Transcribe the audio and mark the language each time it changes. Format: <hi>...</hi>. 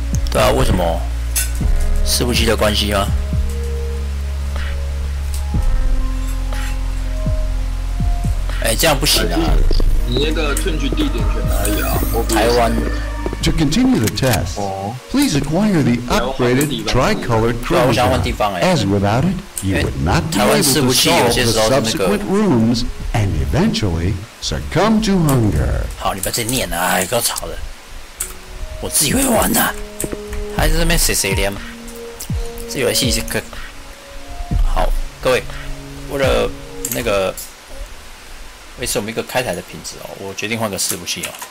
<zh>对啊，为什么？伺服器的关系吗？这样不行啊！你那个吞取地点选哪里啊？台湾。</zh> <en>To continue the test, please acquire the upgraded tricolor chromatograph. As without it, you would not be able to solve the subsequent rooms and eventually succumb to hunger.</en> <zh>好，你不要再念了，哎，够吵的。我自己会玩的，还在那边碎碎念。这游戏是个好，各位，为了那个。也是我们一个开台的品质哦，我决定换个伺服器哦。</zh>